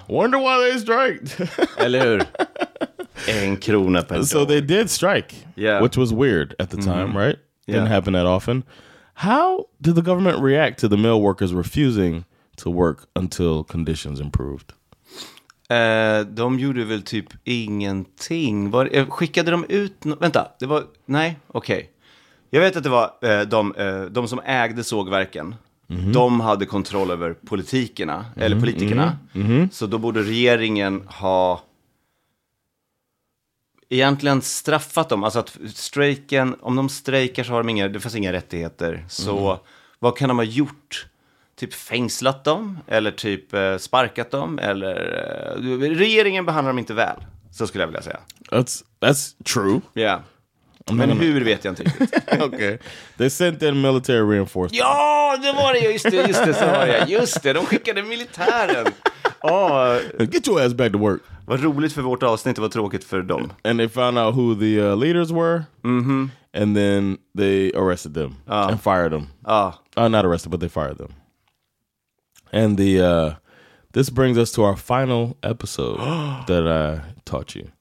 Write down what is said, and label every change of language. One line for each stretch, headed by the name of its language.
English: Wonder why they striked.
Swedish: Eller hur? En krona per dag.
English: So they did strike. Yeah. Which was weird at the time, right? Yeah. Didn't happen that often. How did the government react to the mill workers refusing to work until conditions improved?
Swedish: De gjorde väl typ ingenting. Skickade de ut... Vänta. Det var... Nej. Okej.
English: Okay.
Swedish: Jag vet att det var de som ägde sågverken. Mm-hmm. De hade kontroll över politikerna. Mm-hmm. Eller politikerna. Mm-hmm. Så då borde regeringen ha egentligen straffat dem. Alltså att strejken, om de strejkar så har de inga, det fanns inga rättigheter. Så vad kan de ha gjort? typ fängslat dem eller typ sparkat dem eller regeringen behandlar dem inte väl, så skulle jag vilja säga.
English: That's true. Yeah.
Swedish: Men hur vet jag inte riktigt.
English: Okay. They sent in military reinforcements.
Swedish: Ja, det var det. Just det, så var det. Just det, de skickade militären.
English: Oh, get your ass back to work.
Swedish: Vad roligt för vårt avsnitt, det var tråkigt för dem.
English: And they found out who the leaders were. Mm-hmm. And then they arrested them and fired them. Not arrested, but they fired them. And the this brings us to our final episode that I taught you.